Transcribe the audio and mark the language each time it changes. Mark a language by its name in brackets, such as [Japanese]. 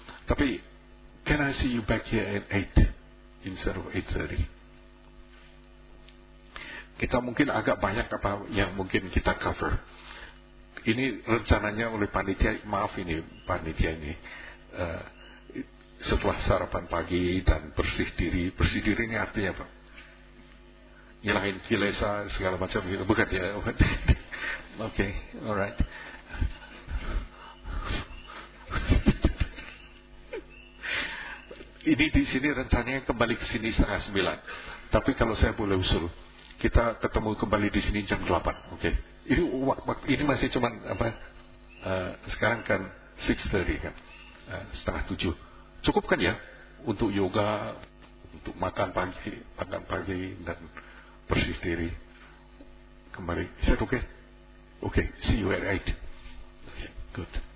[English] Tapi, can I see you back here at 8 instead of 8:30? [Indonesian] Kita mungkin agak banyak apa yang mungkin kita cover. Ini rencananya oleh panitia. Maaf ini panitia ini. Setelah sarapan pagi dan bersih diri. Bersih diri ini artinya apa? Nyilahin kilesa segala macam gitu. Bukan ya? [English] Okay, alright. [Indonesian] Ini di sini rencananya kembali ke sini 8:30. Tapi kalau saya boleh usul, kita ketemu kembali di sini 8:00. Oke. Okay. Ini waktu ini masih cuman apa? Sekarang kan 6:30 kan. 7:30. Cukup kan ya untuk yoga, untuk makan pagi dan bersih diri. [English] Kembali. Is that okay? Okay. See you at 8:00. Okay. Good.